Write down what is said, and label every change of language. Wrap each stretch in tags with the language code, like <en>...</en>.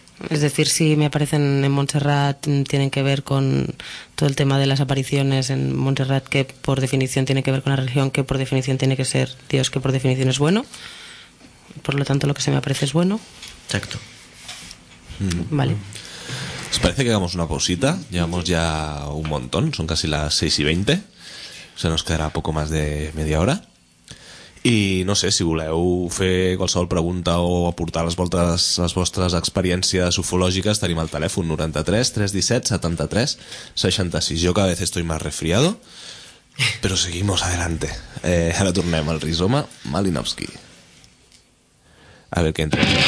<es>Es decir, si me aparecen en Montserrat, tienen que ver con todo el tema de las apariciones en Montserrat, que por definición tiene que ver con la religión, que por definición tiene que ser Dios, que por definición es bueno. Por lo tanto, lo que se me aparece es bueno. Exacto. Vale. ¿Os parece que hagamos una pausita? Llevamos ya un montón, son casi las 6:20. Se nos quedará poco más de media hora.</es> <ca>I no sé, si voleu fer qualsevol pregunta o aportar les vostres experiències ufològiques, tenim el telèfon 93 317 73 66.</ca> <es>Jo cada vez estoy más resfriado, pero seguimos adelante.</es> <ca>Ara tornem al Rizoma Malinowski.</ca> <es>A ver qué entra.</es>